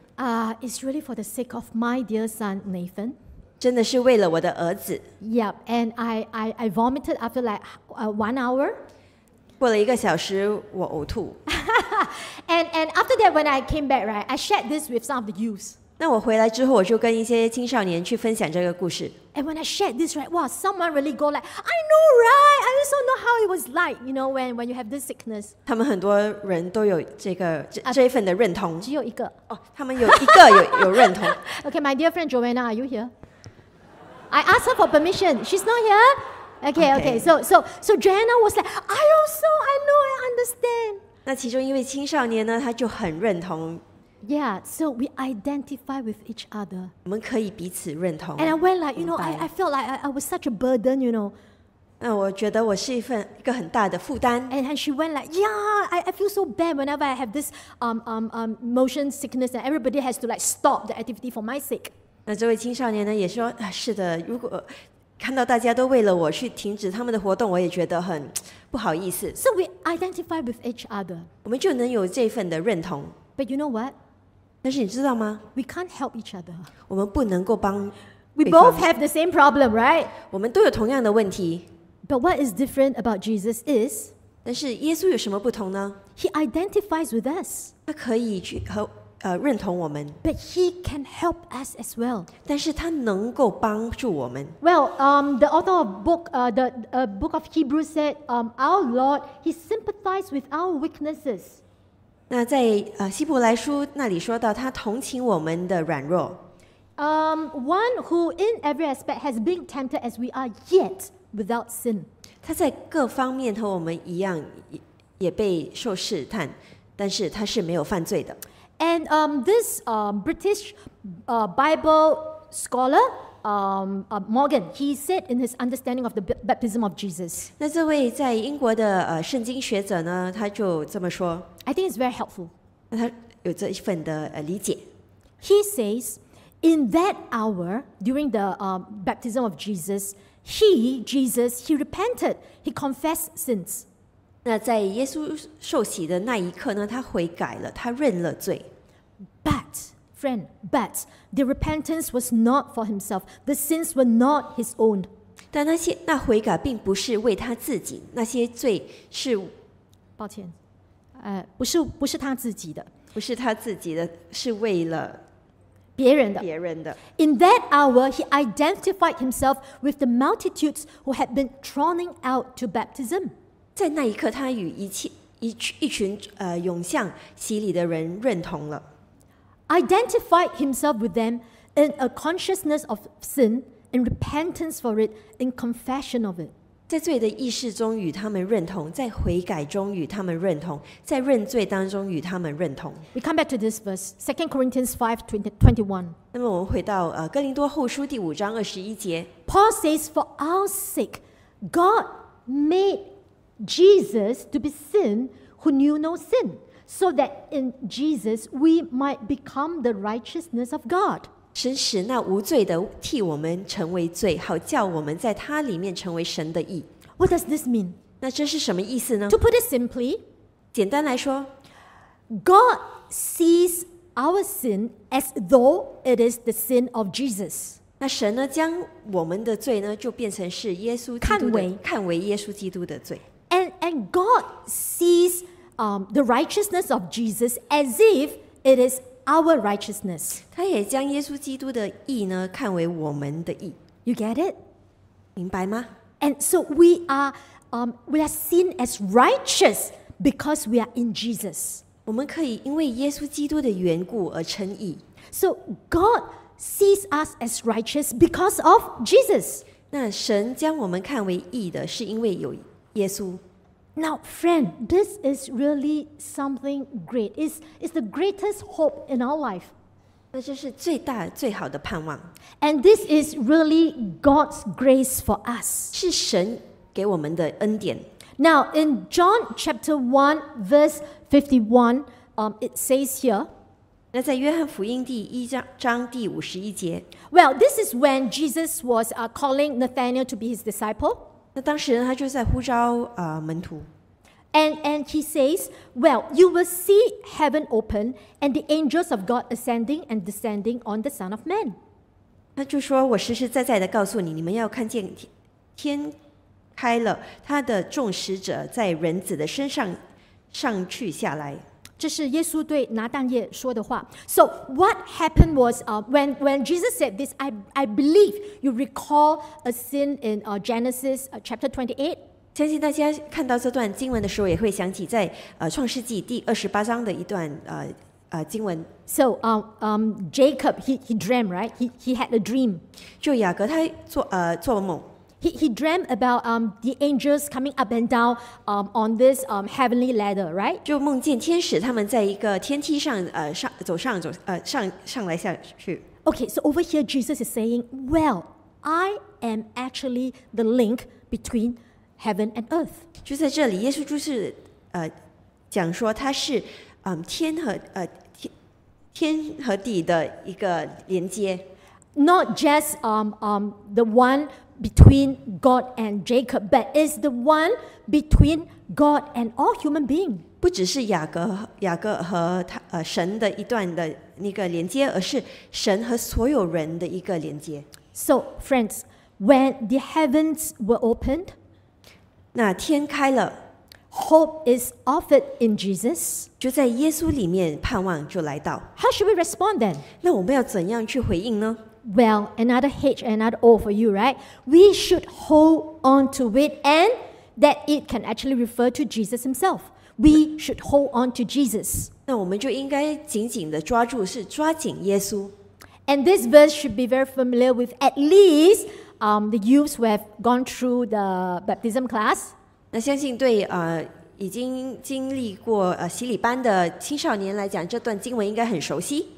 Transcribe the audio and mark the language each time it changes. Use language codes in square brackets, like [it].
[en] It's really for the sake of my dear son Nathan. [zh] 真的是为了我的儿子。 [en] Yep, and I vomited after like 1 hour. [zh] 过了一个小时，我呕吐。 [en] and after that, when I came back, right, I shared this with some of the youth. [zh] 那我回来之后，我就跟一些青少年去分享这个故事。 [en] And when I shared this, right, wow, someone really go like, I know, right? I also know how it was like, you know, when you have this sickness. [zh] 他们很多人都有这一份的认同。只有一个。他们有一个有认同。 [en] Okay, my dear friend Joanna, are you here? I asked her for permission. She's not here. Okay. So Joanna was like, I also, I know, I understand. [zh] 那其中一位青少年呢，他就很认同。 [en] Yeah, so we identify with each other. [zh] 我们可以彼此认同。 [en] And I went like, you know, I felt like I was such a burden, you know. [zh] 那我觉得我是一个很大的负担。 [en] And she went like, yeah, I feel so bad whenever I have this motion sickness, and everybody has to like stop the activity for my sake. [zh] 那这位青少年呢也说，是的，如果看到大家都为了我去停止他们的活动，我也觉得很不好意思。 [en] So we identify with each other. [zh] 我们就能有这份的认同。 [en] But you know what? [zh] 但是你知道吗？ [en] We can't help each other. [zh] 我们不能够帮。 [en] We both have the same problem, right? [zh] 我们都有同样的问题。 [en] But what is different about Jesus is? [zh] 但是耶稣有什么不同呢？ [en] He identifies with us. [zh] 他可以去和认同我们。 [en] But he can help us as well. [zh] 但是他能够帮助我们。 [en] Well, the author of book of Hebrews said, our Lord, he sympathized with our weaknesses. [zh] 那在希伯来书那里说到，他同情我们的软弱。 [en] One who in every aspect has been tempted as we are, yet without sin. [zh] 他在各方面和我们一样，也被受试探，但是他是没有犯罪的。 [en] And this British Bible scholar, Morgan, he said in his understanding of the baptism of Jesus. [zh] 那这位在英国的圣经学者呢，他就这么说。 [en] I think it's very helpful. [zh] 他有这一份的理解。 [en] He says, in that hour during the baptism of Jesus, Jesus, he repented. He confessed sins. [zh] 那在耶稣受洗的那一刻呢，他悔改了，他认了罪。 [en] But, friend, but the repentance was not for himself. The sins were not his own. [zh] 但那悔改并不是为他自己，那些罪是，抱歉。不是他自己的，不是他自己的，是为了别人的。 [en] In that hour, he identified himself with the multitudes who had been thronging out to baptism. [zh] 在那一刻，他与一群涌向洗礼的人认同了。 [en] Identified himself with them in a consciousness of sin, in repentance for it, in confession of it. [zh] 在罪的意识中与他们认同，在悔改中与他们认同，在认罪当中与他们认同。 [en] We come back to this verse, 2 Corinthians 5:21. [zh] 那么我们回到哥林多后书第五章二十一节。 [en] Paul says, "For our sake, God made Jesus to be sin who knew no sin, so that in Jesus we might become the righteousness of God." [zh] 神使那无罪的替我们成为罪，好叫我们在他里面成为神的义。 [en] What does this mean? [zh] 那这是什么意思呢？ [en] To put it simply, [zh] 简单来说， [en] God sees our sin as though it is the sin of Jesus. [zh] 那神呢，将我们的罪呢，就变成是耶稣基督的，看为耶稣基督的罪。 [en] And God sees the righteousness of Jesus as if it is our righteousness. [zh] 他也将耶稣基督的义呢，看为我们的义。 [en] You get it? [zh] 明白吗？ [en] And so we are seen as righteous because we are in Jesus. [zh] 我们可以因为耶稣基督的缘故而称义。 [en] So God sees us as righteous because of Jesus. [zh] 那神将我们看为义的是因为有耶稣。 [en] Now, friend, this is really something great. It's the greatest hope in our life. [zh] 那这是最大最好的盼望。 [en] And this is really God's grace for us. [zh] 是神给我们的恩典。 [en] Now, in John chapter 1, verse 51, it says here, [zh] 那在约翰福音第一章第五十一节。 [en] Well, this is when Jesus was calling Nathanael to be his disciple. [zh] 那当时他就在呼召门徒。 [en] And he says, well, you will see heaven open and the angels of God ascending and descending on the Son of Man. [zh] 他就说，我实实在在的告诉你，你们要看见天开了，他的众使者在人子的身上上去下来。这是耶稣对拿但业说的话。 [en] So what happened was, when Jesus said this, I believe you recall a scene in Genesis chapter 28. [zh] 相信大家看到这段经文的时候，也会想起在创世纪第二十八章的一段经文。 [en] So Jacob he dreamed, right? He had a dream. [zh] 就雅各他做梦。 [en] He dreamt about the angels coming up and down on this heavenly ladder, right? [zh] 就梦见天使他们在一个天梯上上来下去。 [en] Okay, so over here Jesus is saying, well, I am actually the link between heaven and earth. [zh] 就在这里，耶稣就是讲说他是天和地的一个连接。 [en] Not just the one between God and Jacob, but is the one between God and all human beings. [zh] 不只是雅各和神的一段的那个连接，而是神和所有人的一个连接。 [en] So friends, when the heavens were opened, [zh] 那天开了， [en] hope is offered in Jesus, [zh] 就在耶稣里面盼望就来到。 [en] How should we respond then? [zh] 那我们要怎样去回应呢？ [en] Well, another H and another O for you, right? We should hold on to it, and that it can actually refer to Jesus himself. We should hold on to Jesus. [zh] 那我们就应该紧紧地抓住，是抓紧耶稣。 [en] And this verse should be very familiar with at least the youths who have gone through the baptism class. [zh] 那相信对已经经历过洗礼班的青少年来讲，这段经文应该很熟悉。